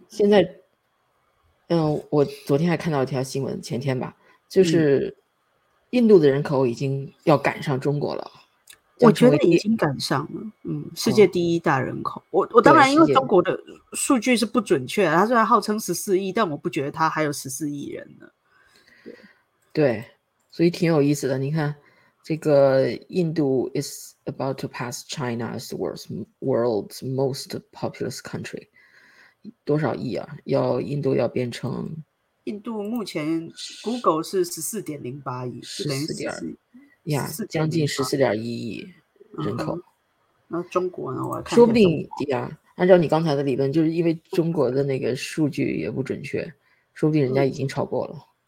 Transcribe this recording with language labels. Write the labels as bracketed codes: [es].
[zh] 现在，我昨天还看到一条新闻，前天吧，就是印度的人口已经要赶上中国了。我觉得已经赶上了，世界第一大人口。哦、我当然因为中国的数据是不准确，它虽然号称14亿，但我不觉得它还有14亿人呢。对，所以挺有意思的。你看，这个印度 [en] is about to pass China as the world's most populous country， [zh] 多少亿啊？印度要变成？印度目前 Google 是14.08亿，呀、yeah, ，将近14.1亿人口、嗯。那中国呢？我看说不定呀，按照你刚才的理论，就是因为中国的那个数据也不准确，说不定人家已经超过了。